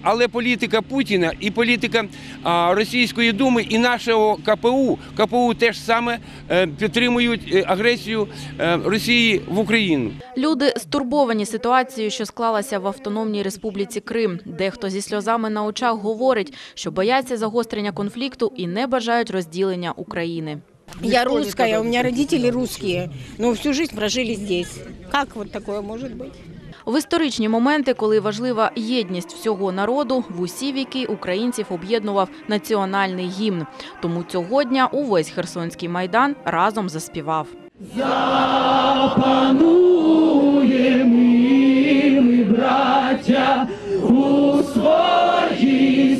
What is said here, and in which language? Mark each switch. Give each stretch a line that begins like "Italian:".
Ukrainian: Але політика Путіна і політика Російської Думи і нашого КПУ теж саме підтримують агресію Росії в Україну. Люди стурбовані ситуацією, що склалася в Автономній Республіці Крим. Дехто зі сльозами на очах говорить, що бояться загострення конфлікту і не бажають розділення України.
Russian: Я русская, у меня родители русские, но всю жизнь прожили здесь. Как вот такое может быть?
Ukrainian: В історичні моменти, коли важлива єдність всього народу, в усі віки українців об'єднував національний гімн. Тому цього дня увесь Херсонський майдан разом заспівав. Запанує ми, браття, у своїй